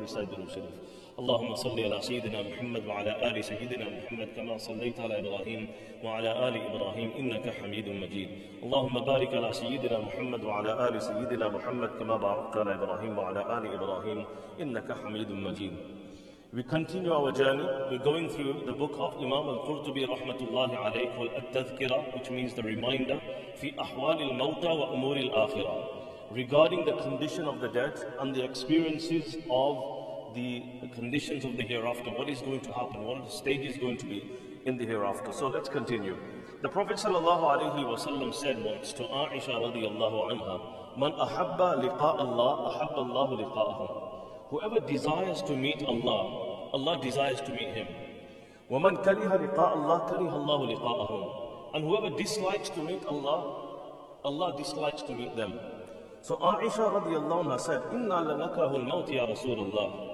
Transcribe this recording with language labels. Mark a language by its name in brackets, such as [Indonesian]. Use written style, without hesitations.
[Arabic] لسيدنا الشريف، اللهم صل على سيدنا محمد وعلى آل سيدنا محمد كما صليت على إبراهيم وعلى آل إبراهيم إنك حميد مجيد. اللهم بارك على سيدنا محمد وعلى آل سيدنا محمد كما باركت على إبراهيم وعلى آل إبراهيم إنك حميد مجيد. [English] We continue our journey. We're going through the book of Imam Al-Qurtubi rahmatullahi alayhi called At-Tadhkira, which means the reminder, fi ahwal al-mawta wa umur al-akhirah, regarding the condition of the dead and the experiences of the conditions of the hereafter. What is going to happen? What the state is going to be in the hereafter? So let's continue. The Prophet sallallahu alayhi wa sallam said once to Aisha radiyallahu anha, [Arabic] man ahabba liqa' Allah ahabba Allah liqa'ahu. [English] Whoever desires to meet Allah, Allah desires to meet him. [Arabic] وَمَنْ كَرِهَ لِقَاءَ اللَّهِ كَرِهَ اللَّهُ لِقَاءَهُمْ. [English] And whoever dislikes to meet Allah, Allah dislikes to meet them. So Aisha radiallahu anha said, [Arabic] إِنَّا لَنَكْرَهُ الْمَوْتِ يَا رَسُولَ اللَّهِ.